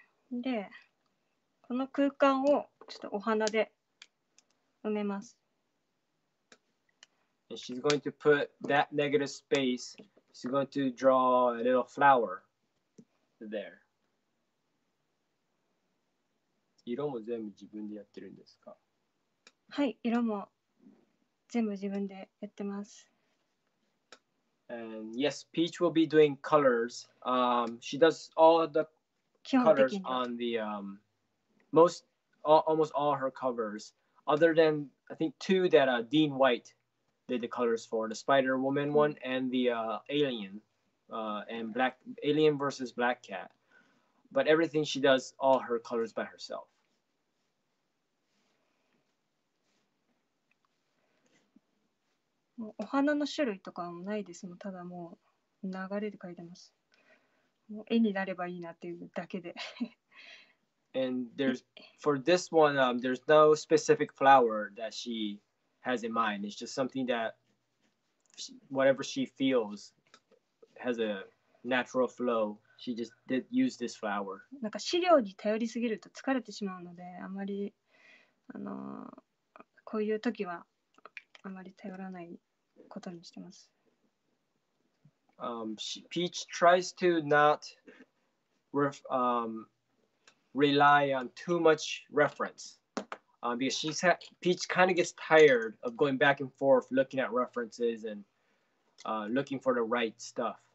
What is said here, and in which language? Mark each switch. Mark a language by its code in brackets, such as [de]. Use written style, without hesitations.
[ja] で、この空間をちょっとお花で埋めます。 [en] And she's going to put that negative space, she's going to draw a little flower there. [ja] 色も全部自分でやってるんですか？はい、色も全部自分でやってます。 [en] And yes, Peach will be doing colors. She does all of the colors on the almost all her covers, other than I think two that Dean White did the colors for, the Spider-Woman one and the Alien, and Black Alien versus Black Cat. But everything she does all her colors by herself. [ja] お花の種類とかもないです。もただもう流れで描いてます。もう絵になればいいなっていうだけで。 [en] And there's for this one, there's no specific flower that she has in mind. It's just something that whatever she feels has a natural flow. She just did use this flower. [ja] なんか資料に頼りすぎると疲れてしまうので、あまりこういう時はあまり頼らないことにしてます。 [en] Peach tries to not rely on too much reference. Because Peach kind of gets tired of going back and forth looking at references and looking for the right stuff.